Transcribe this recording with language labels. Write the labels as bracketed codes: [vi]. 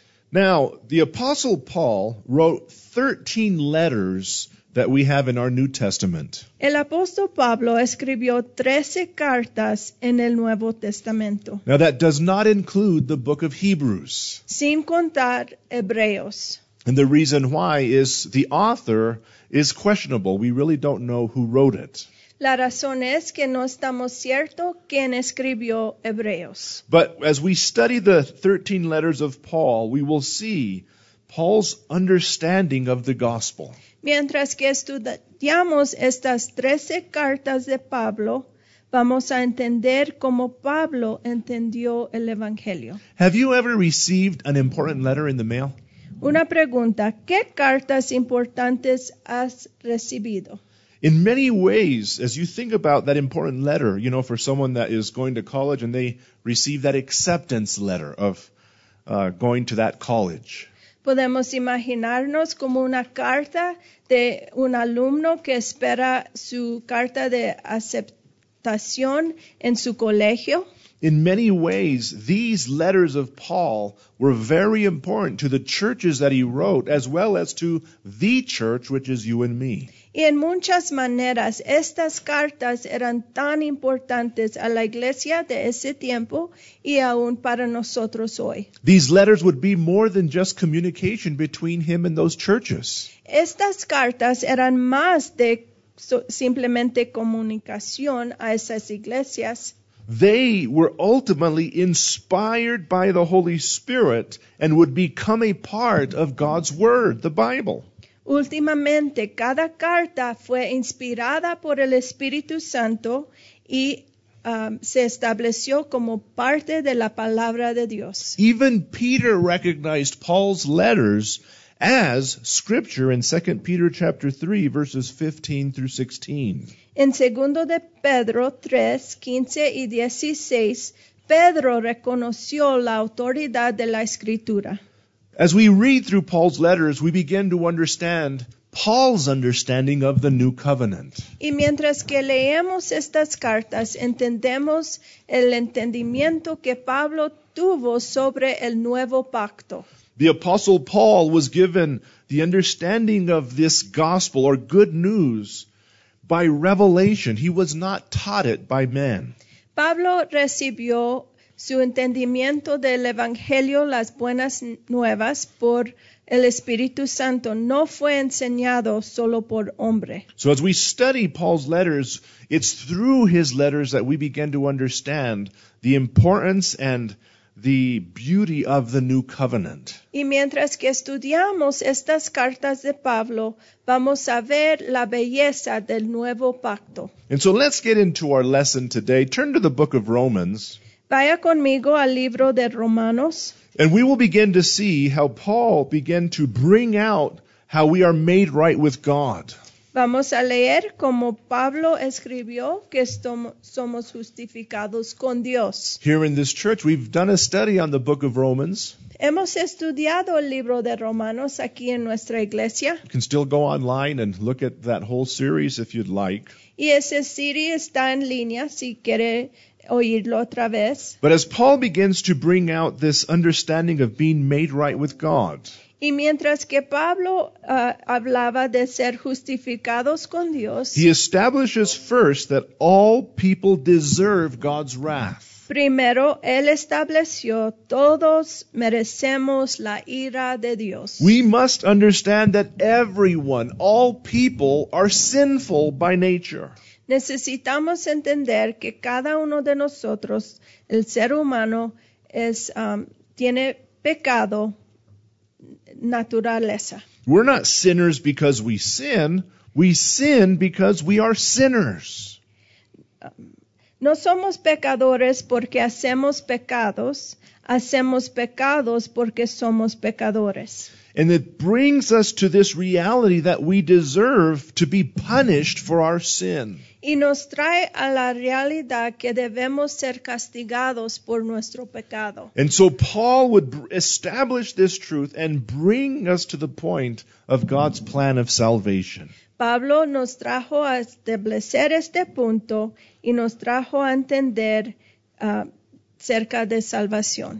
[en] Now, the Apostle Paul wrote 13 letters that we have in our New Testament. [es] El apóstol Pablo escribió 13 cartas en el Nuevo Testamento. [en] Now, that does not include the book of Hebrews. [es] Sin contar Hebreos. [en] And the reason why is the author is questionable. We really don't know who wrote it. [es] La razón es que no estamos cierto quién escribió Hebreos. [en] But as we study the 13 letters of Paul, we will see Paul's understanding of the gospel. [es] Mientras que estudiamos estas 13 cartas de Pablo, vamos a entender cómo Pablo entendió el evangelio. [en] Have you ever received an important letter in the mail? [es] Una pregunta, ¿qué cartas importantes has recibido? [en] In many ways, as you think about that important letter, you know, for someone that is going to college and they receive that acceptance letter of going to that college. [es] Podemos imaginarnos como una carta de un alumno que espera su carta de aceptación en su colegio. [en] In many ways, these letters of Paul were very important to the churches that he wrote, as well as to the church, which is you and me. [es] Y en muchas maneras, estas cartas eran tan importantes a la iglesia de ese tiempo y aún para nosotros hoy. [en] These letters would be more than just communication between him and those churches. [es] Estas cartas eran más de simplemente comunicación a esas iglesias. [en] They were ultimately inspired by the Holy Spirit and would become a part of God's Word, the Bible. [es] Últimamente, cada carta fue inspirada por el Espíritu Santo y se estableció como parte de la palabra de Dios. [en] Even Peter recognized Paul's letters as scripture in 2 Peter chapter 3, verses 15 through 16. [es] En 2 de Pedro 3, 15 y 16, Pedro reconoció la autoridad de la Escritura. [en] As we read through Paul's letters, we begin to understand Paul's understanding of the new covenant. [es] Y mientras que leemos estas cartas, entendemos el entendimiento que Pablo tuvo sobre el nuevo pacto. [en] The Apostle Paul was given the understanding of this gospel or good news by revelation. He was not taught it by men. [es] Pablo recibió su entendimiento del Evangelio, las buenas nuevas, por el Espíritu Santo. No fue enseñado solo por hombre. [en] So as we study Paul's letters, it's through his letters that we begin to understand the importance and the beauty of the new covenant. [es] Y mientras que estudiamos estas cartas de Pablo, vamos a ver la belleza del nuevo pacto. [en] And so let's get into our lesson today. Turn to the book of Romans. [es] Vaya conmigo al libro de Romanos. [en] And we will begin to see how Paul began to bring out how we are made right with God. [es] Vamos a leer como Pablo escribió que somos justificados con Dios. [en] Here in this church, we've done a study on the book of Romans. [es] Hemos estudiado el libro de Romanos aquí en nuestra iglesia. [en] You can still go online and look at that whole series if you'd like. [es] Y esa serie está en línea si quiere oírlo otra vez. [en] But as Paul begins to bring out this understanding of being made right with God, [es] y mientras que Pablo hablaba de ser justificados con Dios, [en] he establishes first that all people deserve God's wrath. [es] Primero, él estableció, todos merecemos la ira de Dios. [en] We must understand that everyone, all people, are sinful by nature. [es] Necesitamos entender que cada uno de nosotros, el ser humano, tiene pecado. Naturaleza. [en] We're not sinners because we sin. We sin because we are sinners. [es] No somos pecadores porque hacemos pecados. Hacemos pecados porque somos pecadores. [en] And it brings us to this reality that we deserve to be punished for our sin. [es] Y nos trae a la realidad que debemos ser castigados por nuestro pecado. [en] And so Paul would establish this truth and bring us to the point of God's plan of salvation. [es] Pablo nos trajo a establecer este punto y nos trajo a entender cerca de salvación.